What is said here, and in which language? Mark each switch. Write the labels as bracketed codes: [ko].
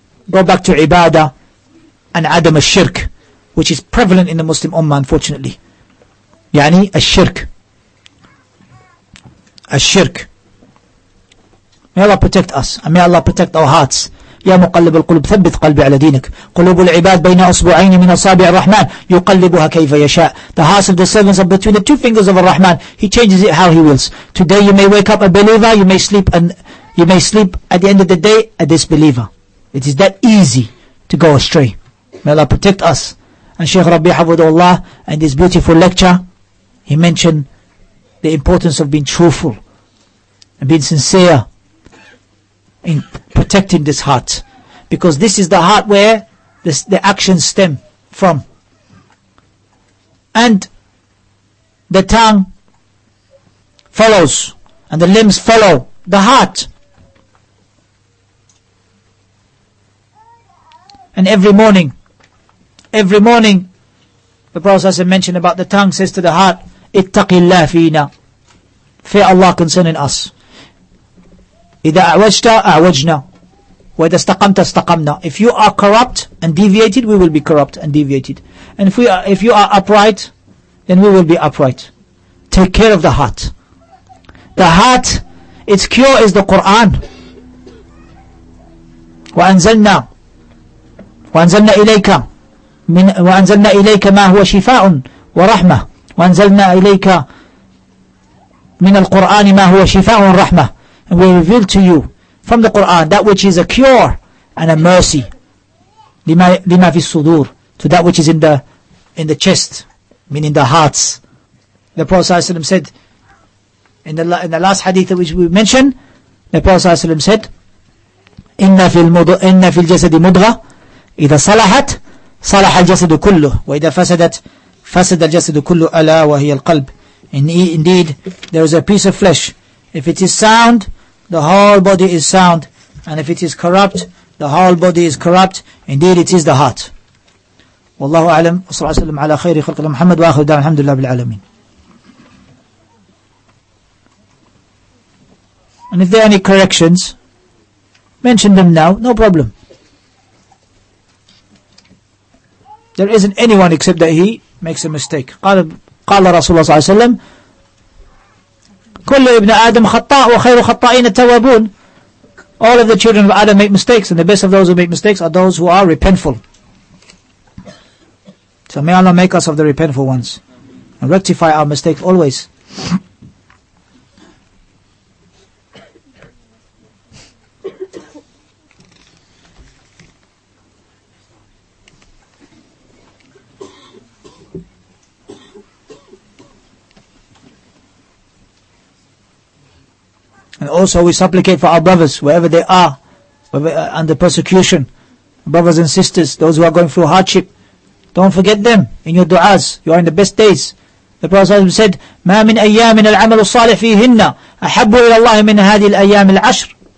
[en] Go back to ibadah. And Adam al-Shirk, which is prevalent in the Muslim Ummah, unfortunately. Yani al-Shirk. May Allah protect us, and may Allah protect our hearts. [ar] يا مقلب القلوب ثبت قلبي على دينك. قلوب العباد بين أصبعين من أصابع الرحمن يقلبها كيف يشاء. [en] The hearts of the servants are between the two fingers of Ar-Rahman. He changes it how he wills. Today you may wake up a believer, you may sleep at the end of the day a disbeliever. It is that easy to go astray. May Allah protect us. And Shaykh Rabbi Hafidhullah, in this beautiful lecture, he mentioned the importance of being truthful and being sincere in protecting this heart. Because this is the heart where the actions stem from. And the tongue follows and the limbs follow the heart. And every morning, the Prophet ﷺ mentioned about the tongue says to the heart, [ar] اتق الله فينا. [en] Fear Allah concerning us. [ar] إذا أعوجت أعوجنا وإذا استقمت استقمنا. [en] If you are corrupt and deviated, we will be corrupt and deviated. And if you are upright, then we will be upright. Take care of the heart. The heart, its cure is the Quran. [ar] وأنزلنا إليك من وأنزلنا إليك ما هو شفاء ورحمة وأنزلنا إليك من القرآن ما هو شفاء ورحمة. [en] And we reveal to you from the Quran that which is a cure and a mercy. [ar] لما في الصدور, [en] to that which is in the chest, meaning the hearts. The Prophet ﷺ said in the last hadith which we mentioned, the Prophet ﷺ said, [ar] إن في الجسد مضغة إذا صلحت صلح الجسد كله وإذا فسدت فسد الجسد كله ألا وهي القلب. [en] Indeed, there is a piece of flesh. If it is sound, the whole body is sound. And if it is corrupt, the whole body is corrupt. Indeed, it is the heart. [ar] والله أعلم صلى الله عليه وسلم على خير خلق الله محمد وآخر دعوانا الحمد لله بالعالمين. [en] And if there are any corrections, mention them now, no problem. There isn't anyone except that he makes a mistake. [ar] قال رسول الله صلى الله عليه وسلم كل ابن آدم خطاء وخير خطائين التوابون. [en] All of the children of Adam make mistakes, and the best of those who make mistakes are those who are repentful. So may Allah make us of the repentful ones and rectify our mistakes always. And also we supplicate for our brothers, wherever they are, under persecution, brothers and sisters, those who are going through hardship. Don't forget them in your du'as. You are in the best days. The Prophet ﷺ said, [ar] مَا مِنْ أَيَّامٍ الْعَمَلُ الصَّالِحِ فِيهِنَّ أَحَبُّ إِلَى اللَّهِ مِنْ هَذِي الْأَيَّامِ الْعَشْرِ.